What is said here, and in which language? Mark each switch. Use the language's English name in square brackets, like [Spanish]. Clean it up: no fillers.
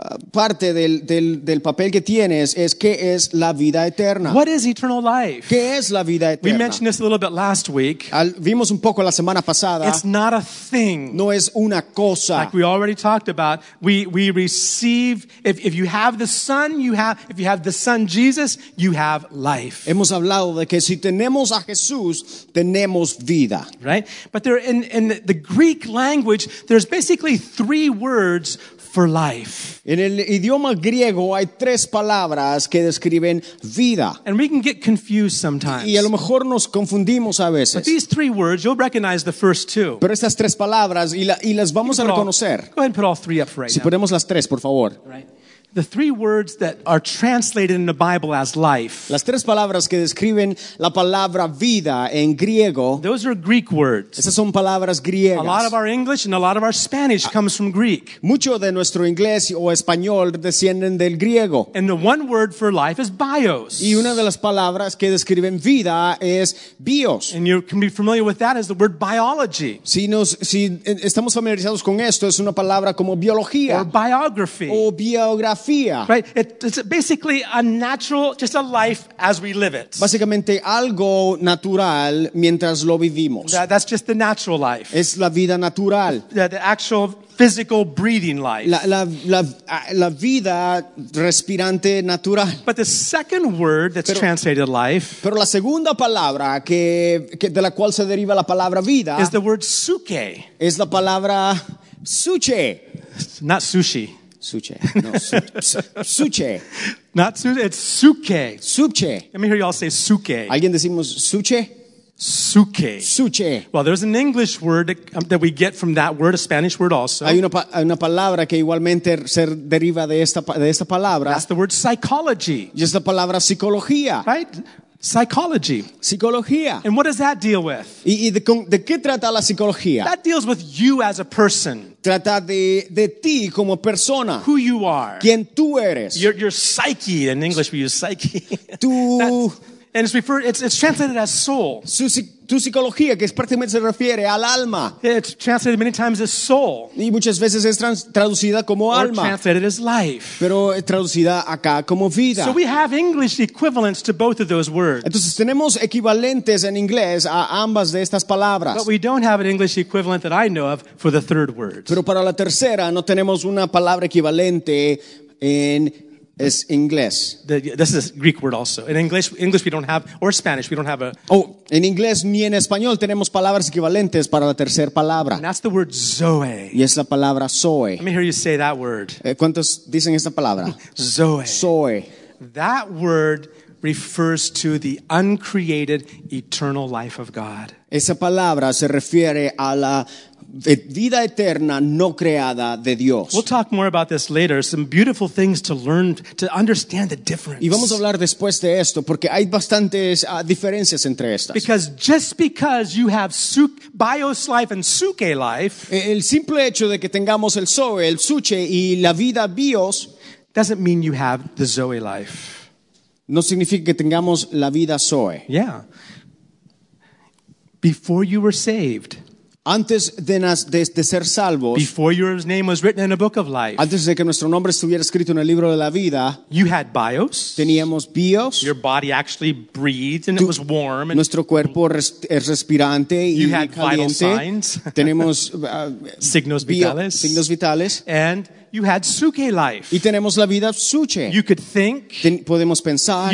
[Spanish] parte del papel que tienes es qué es la vida eterna. [English] What is eternal life? [Spanish] ¿Qué es la vida eterna? [English] We mentioned this a little bit last week. [Spanish] Vimos un poco la semana pasada. [English] It's not a thing. [Spanish] No es una cosa. [English] Like we already talked about, we receive if you have the Son, Jesus, you have life. [Spanish] Hemos hablado de que si tenemos a Jesús, tenemos vida. [English] Right? But there in the Greek language, there's basically three words for life. [Spanish] En el idioma griego hay tres palabras que describen vida. [English] And we can get confused sometimes. [Spanish] Y a lo mejor nos confundimos a veces. [English] But these three words, you'll recognize the first two. [Spanish] Pero estas tres palabras y las vamos a reconocer. [English] Go ahead and put all three up for right now. [Spanish] Si ponemos las tres, por favor. [English] Right. The three words that are translated in the Bible as life. [Spanish] Las tres palabras que describen la palabra vida en griego. [English] Those are Greek words. [Spanish] Esas son palabras griegas. [English] A lot of our English and a lot of our Spanish comes from Greek. [Spanish] Mucho de nuestro inglés o español descienden del griego. [English] And the one word for life is bios. [Spanish] Y una de las palabras que describen vida es bios. [English] And you can be familiar with that as the word biology. [Spanish] Si estamos familiarizados con esto, es una palabra como biología. [English] Or biography. [Spanish] O biografía. [English] Right, it's basically a natural, just a life as we live it. [Spanish] Básicamente algo natural mientras lo vivimos. [English] That's just the natural life. [Spanish] Es la vida natural. [English] The actual physical breathing life. [Spanish] La vida respirante natural. [English] But the second word that's translated life. [Spanish] Pero la segunda palabra que de la cual se deriva la palabra vida. [English] Is the word suke. [Spanish] Es la palabra suche. [English] Not sushi. [Spanish] Suche. No, suche. [English] Not suche, it's suke. [Spanish] Suche. [English] Let me hear you all say suke. [Spanish] ¿Alguien decimos suche? [English] Suke. [Spanish] Suche. [English] Well, there's an English word that we get from that word, a Spanish word also. [Spanish] Hay una palabra que igualmente se deriva de esta palabra. [English] That's the word psychology. [Spanish] Y es la palabra psicología. [English] Right? Psychology. [Spanish] Psicología. [English] And what does that deal with? [Spanish] ¿Y de qué trata la psicología? [English] That deals with you as a person. [Spanish] Trata de ti como persona. [English] Who you are. [Spanish] Quién tú eres. [English] Your psyche. In English we use psyche. [Spanish] Tú... [English] and it's referred, it's translated as soul. [Spanish] Tu psicología, que prácticamente se refiere al alma. [English] It's translated many times as soul. [Spanish] Y muchas veces es traducida como alma. [English] Or translated as life. [Spanish] Pero es traducida acá como vida. [English] So we have English equivalents to both of those words. [Spanish] Entonces tenemos equivalentes en inglés a ambas de estas palabras. [English] But we don't have an English equivalent that I know of for the third word. [Spanish] Pero para la tercera no tenemos una palabra equivalente en es inglés. [English] This is a Greek word also. In English we don't have, or Spanish, we don't have a... [Spanish] Oh, en inglés ni en español tenemos palabras equivalentes para la tercera palabra. [English] And that's the word zoe. [Spanish] Y es la palabra zoe. [English] Let me hear you say that word. [Spanish] ¿Cuántos dicen esta palabra? [English] Zoe. [Spanish] Zoe. [English] That word refers to the uncreated eternal life of God. [Spanish] Esa palabra se refiere a la vida eterna no creada de Dios. [English] We'll talk more about this later. Some beautiful things to learn, to understand the difference. [Spanish] Y vamos a hablar después de esto porque hay bastantes diferencias entre estas. [English] Because just because you have bios life and suke life, [Spanish] el simple hecho de que tengamos el zoe, el suche y la vida bios, [English] doesn't mean you have the zoe life. [Spanish] No significa que tengamos la vida zoe. [English] Yeah. Before you were saved. [Spanish] Antes de ser salvos, [English] before your name was written in a book of life, [Spanish] antes de que nuestro nombre estuviera escrito en el libro de la vida, [English] you had bios. [Spanish] Teníamos bios. [English] Your body actually breathed and it was warm. And [Spanish] nuestro cuerpo es respirante y [English] you [Spanish] caliente. [English] Had vital signs. [Spanish] Tenemos signos vitales. Signos vitales. [English] And you had suke life. [Spanish] Y tenemos la vida suche. [English] You could think. [Spanish] Podemos pensar.